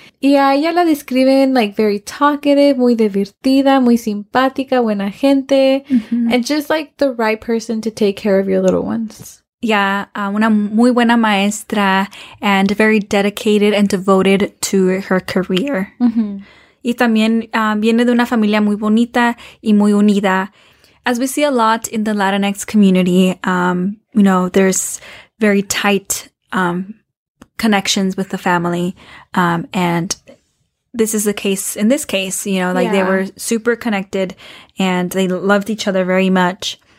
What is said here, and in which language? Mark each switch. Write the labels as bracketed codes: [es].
[es] Y a ella la describen [en] like very talkative, [es] muy divertida, muy simpática, buena gente, [en] and just like the right person to take care of your little ones. Yeah, [es] una muy buena maestra [en] and very dedicated and devoted to her career. Mm-hmm. [es] Y también viene de una familia muy bonita y muy unida. [en] As we see a lot in the Latinx community, you know, there's very tight connections with the family. And this is the case in this case, you know, like yeah. They were super connected and they loved each other very much.